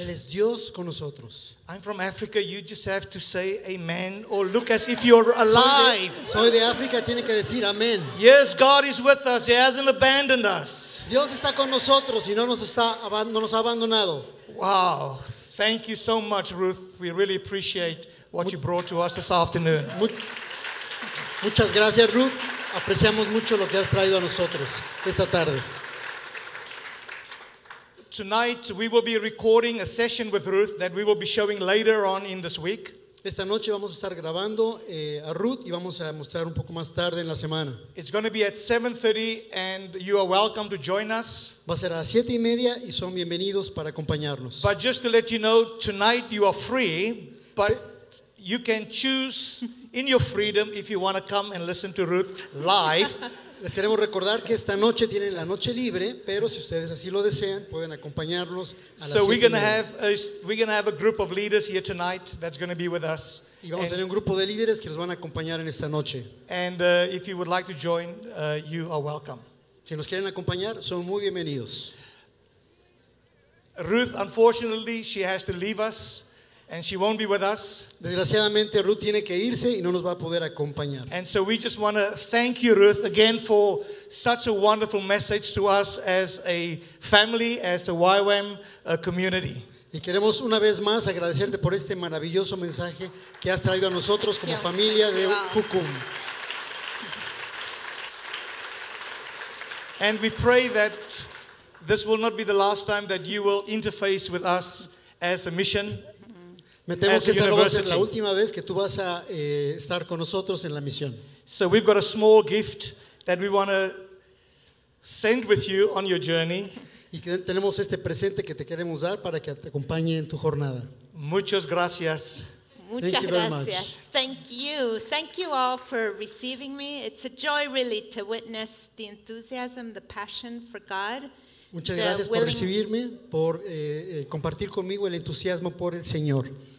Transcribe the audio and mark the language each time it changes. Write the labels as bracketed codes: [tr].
[es] Él es Dios con nosotros. [en] I'm from Africa. You just have to say amen or look as if you're alive. [es] Soy de África. Tiene que decir amén. [en] Yes, God is with us. He hasn't abandoned us. [es] Dios está con nosotros y no nos ha abandonado. [en] Wow. Thank you so much, Ruth. We really appreciate what you brought to us this afternoon. [es] Muchas gracias, Ruth. Apreciamos mucho lo que has traído a nosotros esta tarde. [en] Tonight we will be recording a session with Ruth that we will be showing later on in this week. [es] Esta noche vamos a estar grabando a Ruth y vamos a mostrar un poco más tarde en la semana. [en] It's going to be at 7:30 and you are welcome to join us. [es] Va a ser a las 7:30 y son bienvenidos para acompañarnos. [en] But just to let you know, tonight you are free, but you can choose in your freedom if you want to come and listen to Ruth live. [es] Les queremos recordar que esta noche tienen la noche libre, pero si ustedes así lo desean, pueden acompañarnos a la [en] So we're going to have a group of leaders here tonight that's going to be with us. [es] Y vamos a tener un grupo de líderes que nos van a acompañar en esta noche. [en] And if you would like to join, you are welcome. [es] Si nos quieren acompañar, son muy bienvenidos. [en] Ruth, unfortunately, she has to leave us. And she won't be with us. [es] Desgraciadamente, Ruth tiene que irse y no nos va a poder acompañar. [en] And so we just want to thank you, Ruth, again for such a wonderful message to us as a family, as a YWAM community. [es] Y queremos una vez más agradecerte por este maravilloso mensaje que has traído a nosotros como familia de Hukum. [en] And we pray that this will not be the last time that you will interface with us as a mission. [es] Me temo que esta no va a ser la última vez que tú vas a estar con nosotros en la misión. [en] So we've got a small gift that we want to send with you on your journey. [es] Y tenemos este presente que te queremos dar para que te acompañe en tu jornada. Muchas gracias. [en] Thank you all for receiving me. It's a joy really to witness the enthusiasm, the passion for God. [es] Muchas gracias por recibirme, por compartir conmigo el entusiasmo por el Señor.